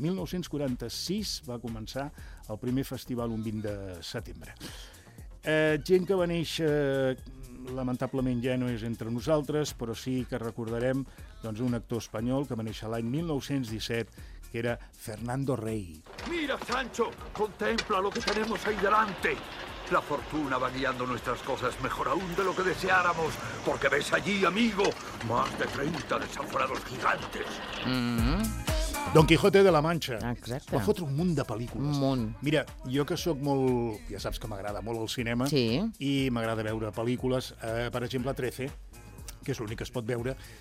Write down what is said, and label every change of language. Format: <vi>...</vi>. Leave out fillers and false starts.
<ca>1946 va començar el primer festival un 20 de setembre. Gent que va néixer, lamentablement ja no és entre nosaltres, però sí que recordarem doncs, un actor espanyol que va néixer l'any 1917, que era Fernando Rey.</ca> <es>Mira, Sancho, contempla lo que tenemos ahí delante. La fortuna va guiando nuestras cosas mejor aún de lo que deseáramos, porque ves allí, amigo, más de 30 desaforados gigantes. Don Quijote de la Mancha.</es> <ca>Exacte. Va fotre un munt de pel·lícules. Un munt. Mira, jo que sóc molt... Ja saps que m'agrada molt el cinema. Sí. I m'agrada veure pel·lícules. Per exemple, 13, que és l'únic que es pot veure.</ca>